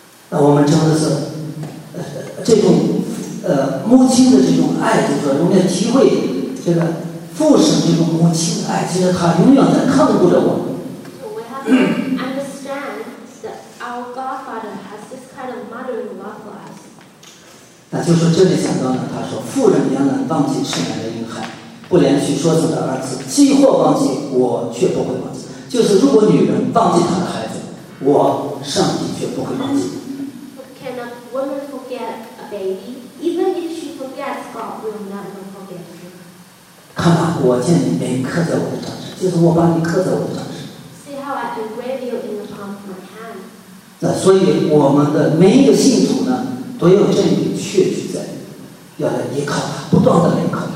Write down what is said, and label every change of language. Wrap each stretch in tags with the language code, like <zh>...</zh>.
<zh>那我们真的是，这种母亲的这种爱，就是我们要体会这个父神这种母亲的爱，其实他永远在看顾着我们。</zh> <en>So we have to understand that our Godfather has this kind of motherly love for us.</en> <zh>那就是这里讲到呢，他说：“妇人也能忘记吃奶的婴孩，不连续说自己的儿子，既或忘记，我却不会忘记。” 就是如果女人忘记她的孩子，我上帝却不会忘记。</zh> <en>Can a woman forget a baby? Even if she forgets, God will never forget you. See how I engraved you in the palm of my hand. So, every believer has this verse in their palm, and they have to rely on Him,</en>